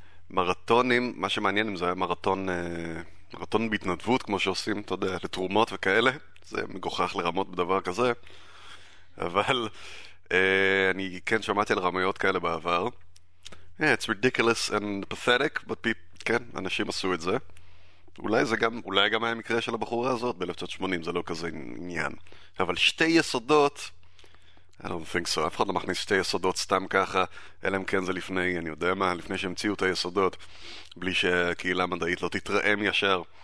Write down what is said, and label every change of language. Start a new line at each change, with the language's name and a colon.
Hebrew: מרתונים, מה שמעניין אם זה היה מרתון, מרתון בהתנדבות, כמו שעושים, אתה יודע, לתרומות וכאלה, זה מגוחך לרמות בדבר כזה, אבל אני כן שמעתי על רמיות כאלה בעבר.
English: Yeah, it's ridiculous and pathetic, but people,
Hebrew: כן, אנשים עשו את זה. אולי זה גם, אולי גם היה מקרה של הבחורה הזאת ב-1980, זה לא כזה עניין. אבל שתי יסודות,
English: I don't think so,
Hebrew: אף אחד לא מכניס שתי יסודות סתם ככה, אלא אם כן זה לפני, אני יודע מה, לפני שהמציאו את היסודות, בלי שהקהילה המדעית לא תתראה מישר.